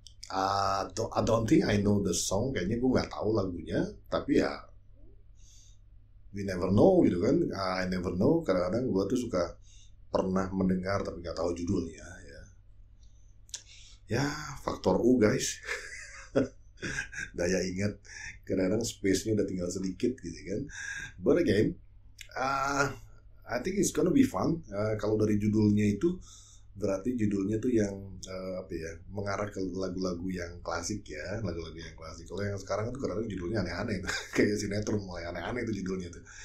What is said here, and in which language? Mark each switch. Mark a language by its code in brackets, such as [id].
[en] I don't think I know the song. [id] Kayaknya gue nggak tahu lagunya. Tapi ya, [en] we never know [id] gitu kan. [en] I never know. [id] Kadang-kadang gue tuh suka pernah mendengar tapi nggak tahu judulnya. Ya, faktor U guys. Daya ingat kadang-kadang space-nya udah tinggal sedikit gitu kan. [en] But again, I think it's gonna be fun. [id] Kalau dari judulnya itu berarti judulnya tuh yang apa ya, mengarah ke lagu-lagu yang klasik ya, lagu-lagu yang klasik. Kalau yang sekarang tuh kadang-kadang judulnya aneh-aneh itu. Kayak sinetron mulai aneh-aneh itu judulnya tuh.